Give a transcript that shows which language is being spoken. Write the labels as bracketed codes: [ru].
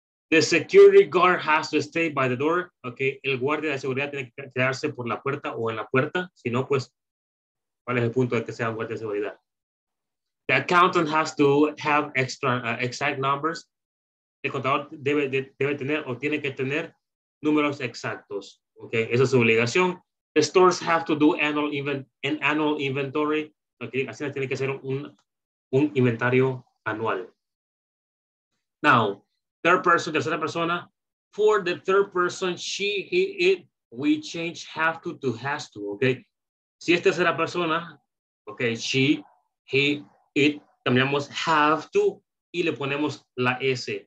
[en] The security guard has to stay by the door. Okay? [es] El guardia de seguridad tiene que quedarse por la puerta o en la puerta. Si no, pues, ¿cuál es el punto de que sea guardia de seguridad? [en] The accountant has to have extra exact numbers. [es] El contador debe tener o tiene que tener números exactos. Okay, esa es su obligación. [en] The stores have to do an annual inventory. [es] Okay, así tiene que hacer un inventario anual. [en] Now, third person, [es] tercera persona. [en] For the third person, she, he, it, we change have to has to. [es] Okay, si es tercera persona, okay, she, he, it, cambiamos have to y le ponemos la S.